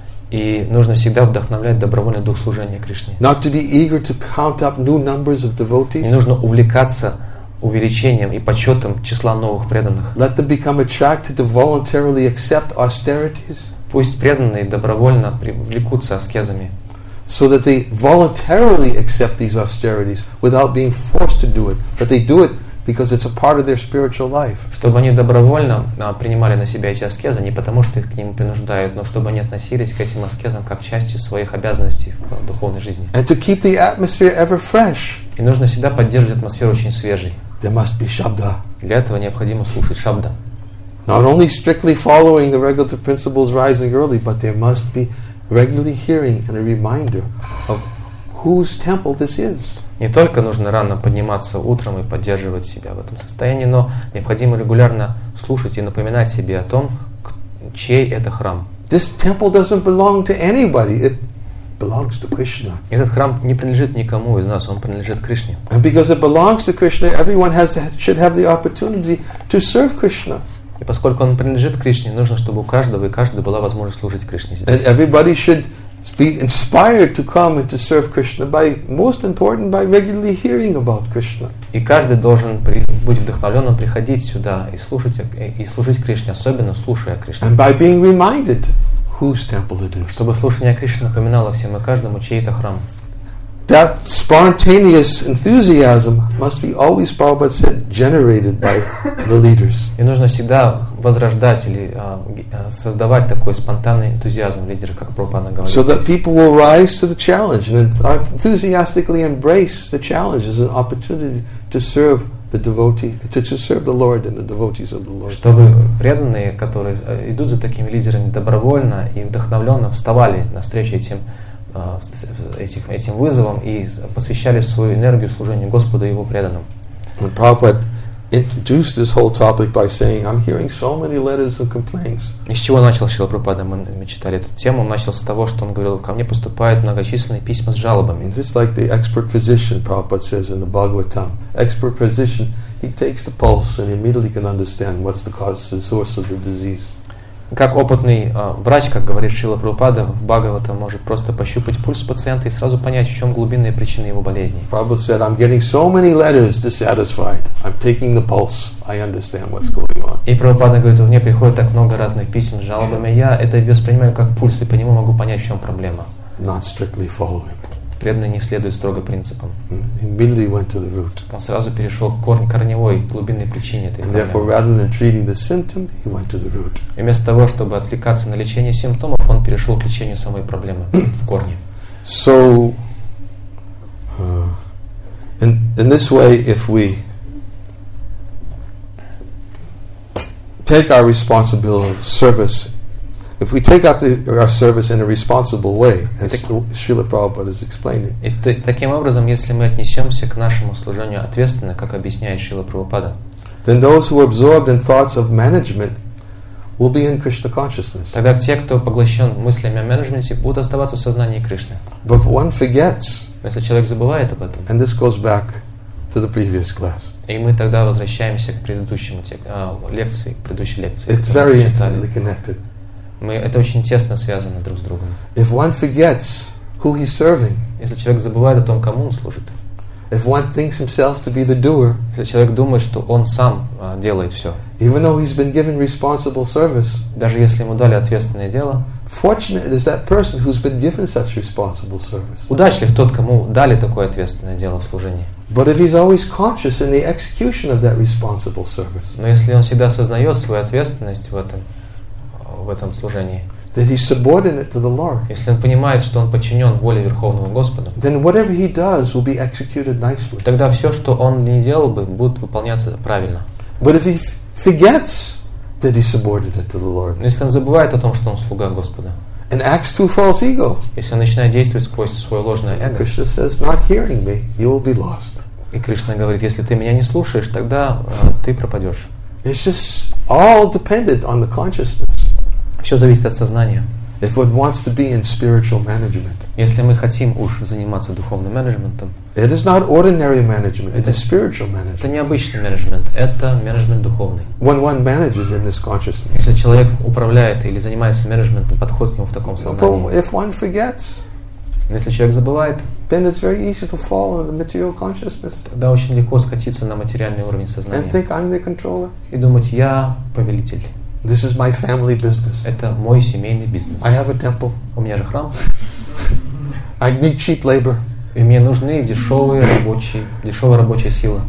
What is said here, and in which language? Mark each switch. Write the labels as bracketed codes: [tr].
[ru] И нужно всегда вдохновлять добровольный дух служения Кришне. [en] Not to be eager to count up new numbers of devotees. [ru] Не нужно увлекаться увеличением и подсчетом числа новых преданных. [en] Let them become attracted to voluntarily accept austerities. [ru] Пусть преданные добровольно привлекутся аскезами. [en] So that they voluntarily accept these austerities without being forced to do it, but they do it because it's a part of their spiritual life. [ru] Чтобы они добровольно принимали на себя эти аскезы, не потому что их к ним принуждают, но чтобы они относились к этим аскезам как части своих обязанностей в духовной жизни. [en] And to keep the atmosphere ever fresh. [ru] И нужно всегда поддерживать атмосферу очень свежей. [en] There must be шабда. [ru] Для этого необходимо слушать шабда. [en] Not only strictly following the regulative principles rising early, but there must be regularly hearing and a reminder of whose temple this is. [ru] Не только нужно рано подниматься утром и поддерживать себя в этом состоянии, но необходимо регулярно слушать и напоминать себе о том, чей это храм. [en] This temple doesn't belong to anybody. It belongs to Krishna. [ru] Этот храм не принадлежит никому из нас, он принадлежит Кришне. [en] And because it belongs to Krishna, everyone should have the opportunity to serve Krishna. [ru] И поскольку он принадлежит Кришне, нужно, чтобы у каждого и каждой была возможность служить Кришне здесь. [en] And everybody should be inspired to come and to serve Krishna by, most important, by regularly hearing about Krishna. [ru] И каждый должен быть вдохновленным приходить сюда и служить Кришне, особенно слушая Кришне. [en] And by being reminded whose temple it is. [ru] Чтобы слушание Кришны напоминало всем и каждому, чей это храм. [en] That spontaneous enthusiasm must be always, Prabhupada said, generated by the leaders. [ru] И нужно всегда возрождать или создавать такой спонтанный энтузиазм лидера, как Прабхупада говорит. [en] So that people will rise to the challenge and enthusiastically embrace the challenge as an opportunity to serve the devotee, to serve the Lord and the devotees of the Lord. [ru] Чтобы преданные, которые идут за такими лидерами добровольно и вдохновленно, вставали навстречу этим вызовом и посвящали свою энергию служению Господу и Его преданным. [en] And Prabhupada introduced this whole topic by saying, I'm hearing so many letters of complaints. [ru] И с чего начал Шрила Прабхупада? Мы читали эту тему. Он начал с того, что он говорил, ко мне поступают многочисленные письма с жалобами. [en] And just like the expert physician, Prabhupada says in the Bhagavatam, expert physician, he takes the pulse and immediately can understand what's the cause, the source of the disease. [ru] Как опытный врач, как говорит Шрила Прабхупада, в Бхагаватам может просто пощупать пульс пациента и сразу понять, в чем глубинная причина его болезни. [en] Prabhupada said, I'm getting so many letters dissatisfied. I'm taking the pulse. I understand what's going on. [ru] И Прабхупада говорит, у меня приходит так много разных писем с жалобами. Я это воспринимаю как пульс, и по нему могу понять, в чем проблема. [en] Not strictly following. [ru] Преданный не следует строго принципам. [en] Immediately went to the root. [ru] Он сразу перешел к корневой, глубинной причине этой проблемы. [en] And therefore, rather than treating the symptom, he went to the root. [ru] И вместо того, чтобы отвлекаться на лечение симптомов, он перешел к лечению самой проблемы в корне. [en] So, in this way, if we take our responsibility, service, if we take up our service in a responsible way, as Srila Prabhupada is explaining. [ru] И таким образом, если мы отнесемся к нашему служению ответственно, как объясняет Шрила Прабхупада, [en] then those who are absorbed in thoughts of management will be in Krishna consciousness. [ru] Тогда те, кто поглощен мыслями о менеджменте, будут оставаться в сознании Кришны. [en] But if one forgets, [ru] если человек забывает об этом, [en] and this goes back to the previous class. [ru] И мы тогда возвращаемся к предыдущему лекции, к предыдущей лекции. [en] It's very intimately connected. [ru] Это очень тесно связано друг с другом. [en] If one forgets who he's serving, [ru] если человек забывает о том, кому он служит, [en] if one thinks himself to be the doer, [ru] если человек думает, что он сам делает все, [en] even though he's been given responsible service, [ru] даже если ему дали ответственное дело, [en] fortunate is that person who's been given such responsible service. [ru] Удачлив тот, кому дали такое ответственное дело в служении. [en] But if he's always conscious in the execution of that responsible service, [ru] но если он всегда сознает свою ответственность в этом служении, [en] that he's subordinate to the Lord, [ru] если он понимает, что он подчинен воле Верховного Господа, [en] then whatever he does will be executed nicely. [ru] Тогда все, что он не делал бы, будет выполняться правильно. [en] But if he forgets that he's subordinate to the Lord, [ru] если он забывает о том, что он слуга Господа, [en] and acts through false ego, [ru] если он начинает действовать сквозь свое ложное эго, [en] Krishna says, not hearing me, you will be lost. [ru] И Кришна говорит, если ты меня не слушаешь, тогда ты пропадешь. [en] It's just all dependent on the consciousness. [ru] Все зависит от сознания. [en] If one wants to be in spiritual management, [ru] если мы хотим уж заниматься духовным менеджментом, [en] it is not ordinary management, it is spiritual management. [ru] Это не обычный менеджмент, это менеджмент духовный. [en] When one manages in this consciousness, [ru] если человек управляет или занимается менеджментом, подход к нему в таком сознании. [en] But if one forgets, [ru] если человек забывает, [en] then it's very easy to fall into the material consciousness. [ru] Тогда очень легко скатиться на материальный уровень сознания. [en] And think I'm the controller. [ru] И думать, я повелитель. [en] This is my family business. [ru] Это мой семейный бизнес. [en] I have a temple. [ru] У меня же храм. [en] I need cheap labor. [ru] И мне нужны дешевая рабочая сила.